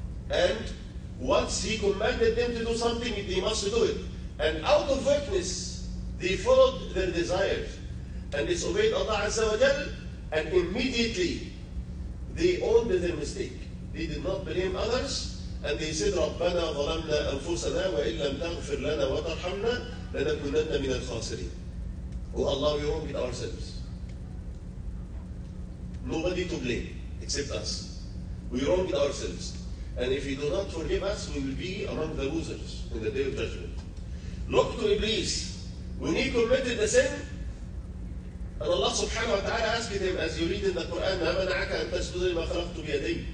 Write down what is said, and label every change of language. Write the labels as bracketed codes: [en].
[en] And once he commanded them to do something, they must do it. And out of weakness, they followed their desires and disobeyed Allah Azza wa Jal, and immediately they owned their mistake. They did not blame others. And they said, [ar] رَبَّنَا ظَلَمْنَا أَنفُسَنَا وَإِنْ لَمْ تَغْفِرْ لَنَا وَتَرْحَمْنَا لَنَكُونَنَّ مِنَ الْخَاسِرِينَ. [en] Oh Allah, we wronged ourselves. Nobody to blame except us. We wronged ourselves. And if you do not forgive us, we will be among the losers in the day of judgment. Look to Iblis. When he committed the sin, and Allah subhanahu wa ta'ala asked him, as you read in the Quran, [ar] مَا مَنَعَكَ أَن تَسْجُدَ لِمَا خَلَقْتُ بِيَدَيَّ.